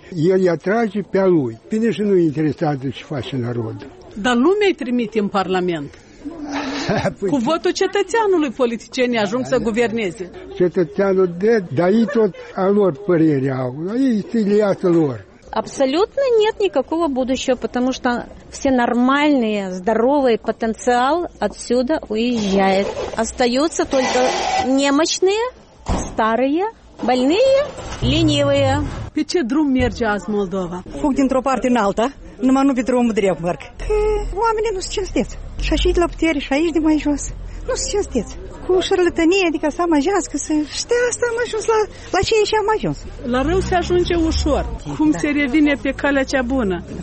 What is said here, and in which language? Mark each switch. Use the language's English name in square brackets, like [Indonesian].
[Romanian] El îi atrage pe lui. Bine și nu e interesat de ce face narodul. Dar lumea-i trimite în Parlament. Cu votul cetățeanului politicienii ajung să guverneze. Cetățeanul de, dar ei tot a lor părerea au, ei se liată lor. [Russian] Абсолютно нет никакого будущего, потому что все нормальные, здоровый потенциал отсюда уезжает. Остаются только немощные, старые, больные, ленивые. [Romanian] Pe ce drum merge azi Moldova? Fug dintr-o parte în alta, numai nu pe drumul drept merg. Oamenii nu sunt cinstiți. Și așa de la putere și aici de mai jos. Nu sunt cinstiți. Cu șarlatanie, adică să amăjească, să ștea, să am ajuns la ce și am ajuns. La rău se ajunge ușor. Cum se revine pe calea cea bună?